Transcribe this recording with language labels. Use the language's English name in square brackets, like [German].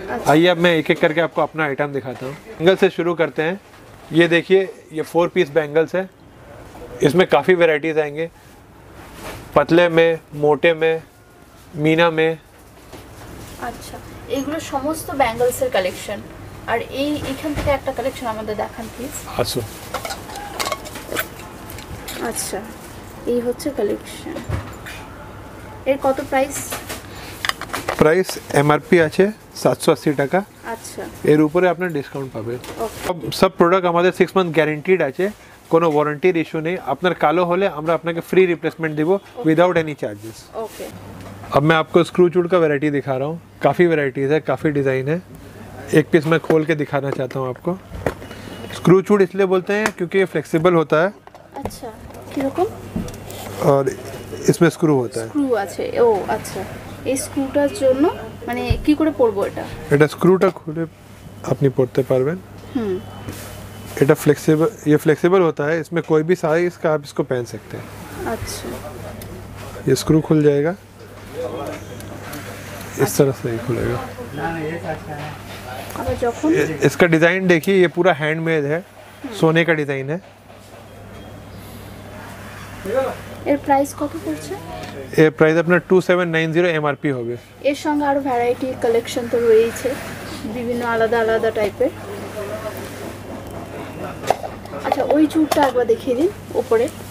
[Hindi] आइए अब मैं एक एक करके आपको अपना आइटम दिखाता हूँ। बैंगल से शुरू करते हैं, ये देखिए ये 4-पीस बैंगल्स है, इसमें काफ़ी वेराइटीज़ आएंगे, पतले में, मोटे में, मीना में। [Bangla] अच्छा, एगुलो समस्त बैंगल्स का कलेक्शन। আর এই এখান থেকে একটা কালেকশন আমাদের দেখান প্লিজ। আসো। আচ্ছা, এই হচ্ছে কালেকশন। এর কত প্রাইস? প্রাইস MRP আছে 780 টাকা। আচ্ছা, এর উপরে আপনি ডিসকাউন্ট পাবেন। সব প্রোডাক্ট আমাদের 6 মান্থ গ্যারান্টিড আছে, কোনো ওয়ারেন্টির ইস্যু নেই। আপনার কালো হলে আমরা আপনাকে ফ্রি রিপ্লেসমেন্ট দেব উইদাউট এনি চার্জেস। ওকে। [Hindi] अब मैं आपको स्क्रूचूड का वैरायटी दिखा रहा हूँ। काफ़ी वैरायटीज है, काफ़ी डिज़ाइन है। एक पीस मैं खोल के दिखाना चाहता हूँ आपको। स्क्रूचूड इसलिए बोलते हैं क्योंकि ये फ्लेक्सिबल होता है। अच्छा, और इसमें स्क्रू होता है। [Bangla] स्क्रू आछे, ओ अच्छा। इस स्क्रूटा জন্য মানে কি করে পড়বো এটা? এটা স্ক্রুটা খুলে আপনি পড়তে পারবেন। হুম। এটা ফ্লেক্সিবল, [Hindi] ये फ्लेक्सिबल होता है, इसमें कोई भी साइज का आप इसको पहन सकते हैं। अच्छा। ये स्क्रू खुल जाएगा। इस तरह से ही खुलेगा। इसका डिजाइन देखिए, ये पूरा हैंडमेड है, सोने का डिजाइन है। [Bangla] এর প্রাইস কত পড়ছে? এর প্রাইস আপনার 2790 MRP হবে। এর সঙ্গে আরো ভ্যারাইটি কালেকশন তো রয়েছে বিভিন্ন আলাদা আলাদা টাইপের। আচ্ছা, ওই চুড়িটা একবার দেখিয়ে দিন উপরে।